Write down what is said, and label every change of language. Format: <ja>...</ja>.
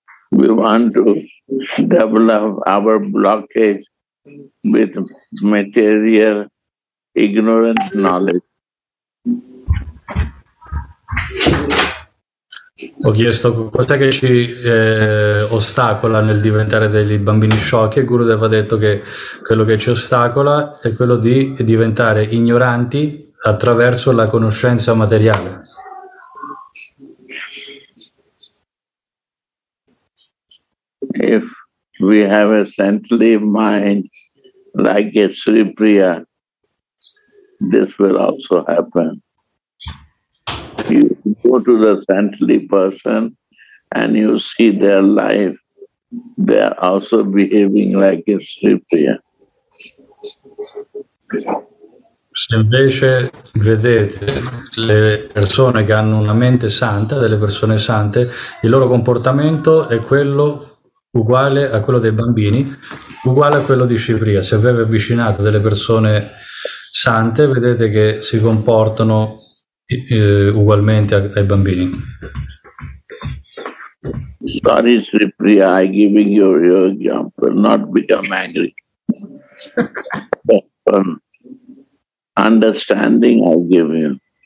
<en>We want to develop our blockage with material ignorant knowledge.</en> <it>Ho chiesto cos'è che ci ostacola nel diventare dei bambini sciocchi e Gurudev ha detto che quello che ci ostacola è quello di diventare ignoranti attraverso la conoscenza materiale.</it> <en>If we have a saintly mind like a Sri Priya, this will also happen. You go to the saintly person and you see their life, they are also behaving like a Sri Priya.</en> <it>Se invece vedete le persone che hanno una mente santa, delle persone sante, il loro comportamento è quello uguale a quello dei bambini, uguale a quello di Sri Priya. Se vi avvicinate delle persone sante, vedete che si comportano ugualmente ai bambini.</it> <en>Sorry, Sri Priya, I give you your example, not become angry. Understanding I give you.</en>